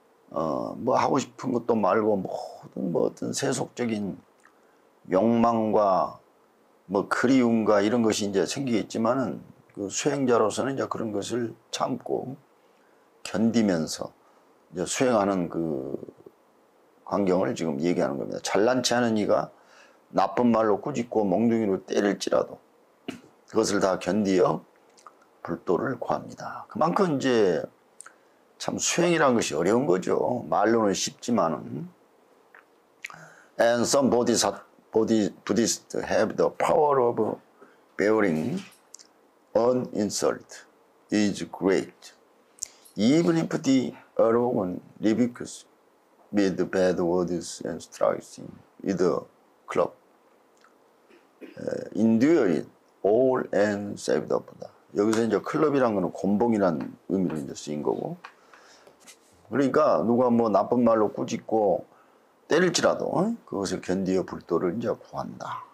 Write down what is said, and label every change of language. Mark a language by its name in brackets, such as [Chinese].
[Korean] 뭐 하고 싶은 것도 말고 모든 뭐 어떤 세속적인 욕망과 뭐 그리움과 이런 것이 이제 생기겠지만은 그 수행자로서는 이제 그런 것을 참고 견디면서 이제 수행하는 그 광경을 지금 얘기하는 겁니다. 잘난치 않은 이가 나쁜 말로 꾸짖고 몽둥이로 때릴지라도 그것을 다 견디어 불도를 구합니다. 그만큼 이제 참 수행이란 것이 어려운 거죠. 말로는 쉽지만은. [English] And some Buddhists have the power of bearing an insult is great. Even if the arrogant rebukes with bad words and strikes him with a club, endure it all and save the Buddha. [Korean] 여기서 이제 클럽이란 거는 곤봉이란 의미로 이제 쓰인 거고. 그러니까 누가 뭐 나쁜 말로 꾸짖고 때릴지라도 그것을 견디어 불도를 이제 구한다.